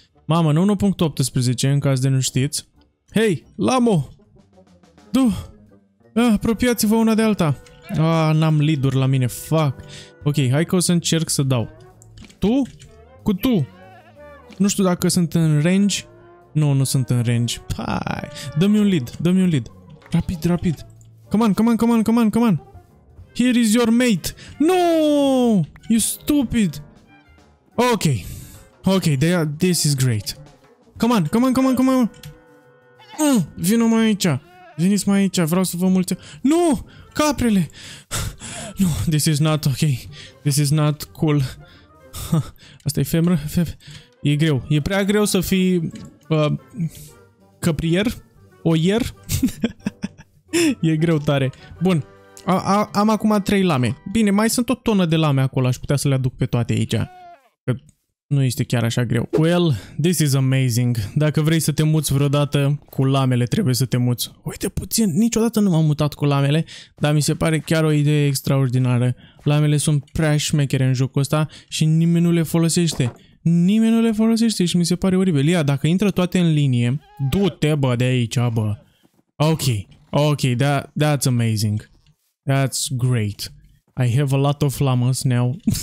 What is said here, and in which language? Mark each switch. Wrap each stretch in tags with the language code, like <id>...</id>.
<ro>Mamă, nu 1.18, în caz de nu știți. Hei, Lamo! Du! Apropiați-vă una de alta. N-am lead-uri la mine, fuck. Ok, hai că o să încerc să dau. Tu? Cu tu! Nu știu dacă sunt în range. Nu, nu sunt în range. Pai! Dă-mi un lead, dă-mi un lead. Rapid, rapid.</ro> <en>Come on, come on, come on, come on, come on. Here is your mate. No! You stupid! Ok. Ok, this is great. Come on, come on, come on, come on!</en> <ro>Vino mai aici. Veniți mai aici, vreau să vă mulțumesc. Nu! Caprele!</ro> <en>No, this is not ok. This is not cool.</en> <ro>Asta e femră? E greu. E prea greu să fii... căprier? Oier? E greu tare. Bun. Am acum 3 lame. Bine, mai sunt o tonă de lame acolo. Aș putea să le aduc pe toate aici. Că nu este chiar așa greu.</ro> <en>Well, this is amazing.</en> <ro>Dacă vrei să te muți vreodată cu lamele, trebuie să te muți. Uite puțin, niciodată nu m-am mutat cu lamele, dar mi se pare chiar o idee extraordinară. Lamele sunt prea șmechere în jocul ăsta și nimeni nu le folosește. Nimeni nu le folosește și mi se pare oribil. Ia, dacă intră toate în linie, du-te, bă, de aici, bă.</ro> <en>Ok, ok, that's amazing. That's great. I have a lot of llamas now.</en>